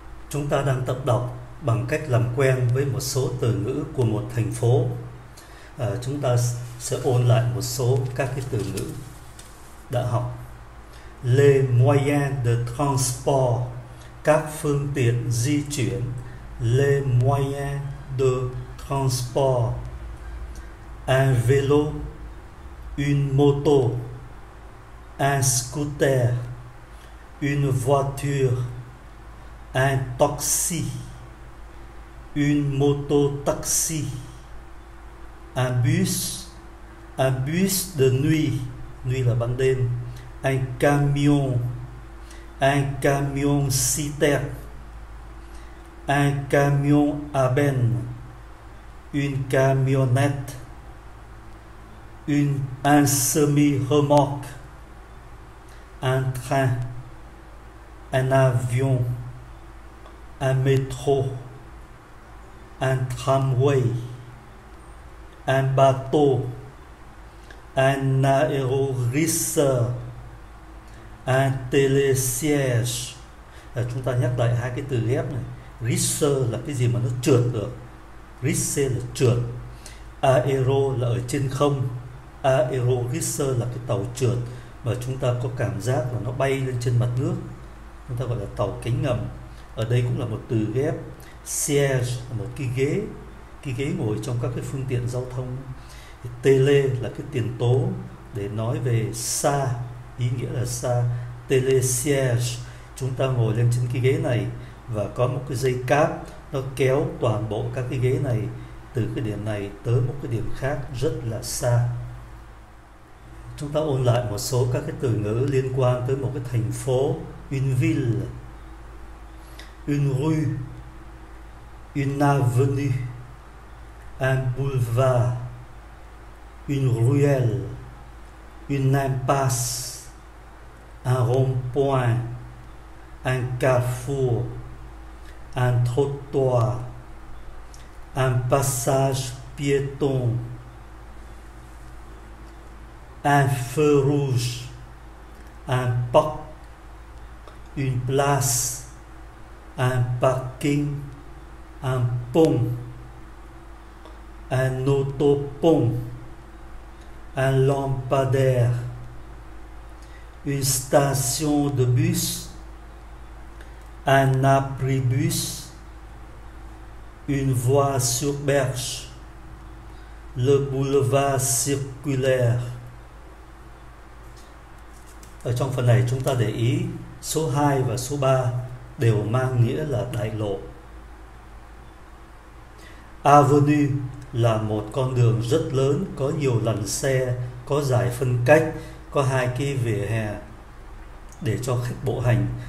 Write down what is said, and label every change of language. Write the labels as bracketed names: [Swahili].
[Vietnamese] Chúng ta đang tập đọc bằng cách làm quen với một số từ ngữ của một thành phố. Chúng ta sẽ ôn lại một số các cái từ ngữ đã học. [French] Les moyens de transport, [Vietnamese] các phương tiện di chuyển. [French] Les moyens de transport. Un vélo, une moto, un scooter, une voiture, un taxi, une moto taxi, un bus de nuit, nuit [Vietnamese] là ban đêm, [French] un camion citerne, un camion à benne, une camionnette, un semi-remorque, un train, un avion, un métro, un tramway, un bateau, un aéroglisseur, un télésiège. [Vietnamese] Chúng ta nhắc lại hai cái từ ghép này. Glisseur là cái gì mà nó trượt được. Glisseur là trượt. Aero là ở trên không. Aeroglisseur là cái tàu trượt mà chúng ta có cảm giác là nó bay lên trên mặt nước. Chúng ta gọi là tàu cánh ngầm. Ở đây cũng là một từ ghép. Siège là một cái ghế, cái ghế ngồi trong các cái phương tiện giao thông. Télé là cái tiền tố để nói về xa, ý nghĩa là xa. Télésiège, chúng ta ngồi lên trên cái ghế này và có một cái dây cáp nó kéo toàn bộ các cái ghế này từ cái điểm này tới một cái điểm khác rất là xa. Chúng ta ôn lại một số các cái từ ngữ liên quan tới một cái thành phố. [French] Une ville, une rue, une avenue, un boulevard, une ruelle, une impasse, un rond-point, un carrefour, un trottoir, un passage piéton, un feu rouge, un parc, une place, un parking, un pont, un autopont, un lampadaire, une station de bus, un abribus, une voie sur berge, le boulevard circulaire. [Vietnamese] Ở trong phần này chúng ta để ý số 2 và số 3 đều mang nghĩa là đại lộ. Avenue là một con đường rất lớn, có nhiều làn xe, có giải phân cách, có hai cái vỉa hè để cho khách bộ hành.